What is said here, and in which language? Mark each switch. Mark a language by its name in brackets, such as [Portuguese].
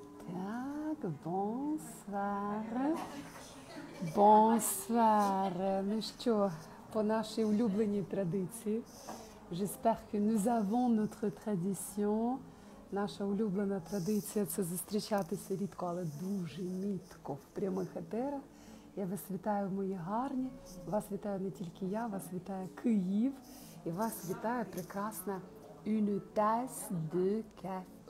[Ukrainian] Так, [French] bonsoir. Bonsoir. [Ukrainian] Ну що, по нашій улюбленій традиції. [French] J'espère que nous avons notre tradition. [Ukrainian] Наша улюблена традиція – це зустрічатися рідко, але дуже мітко в прямих етерах. Я вас вітаю, мої гарні. Вас вітаю не тільки я, вас вітає Київ. І вас вітає прекрасна [French] une tasse de café.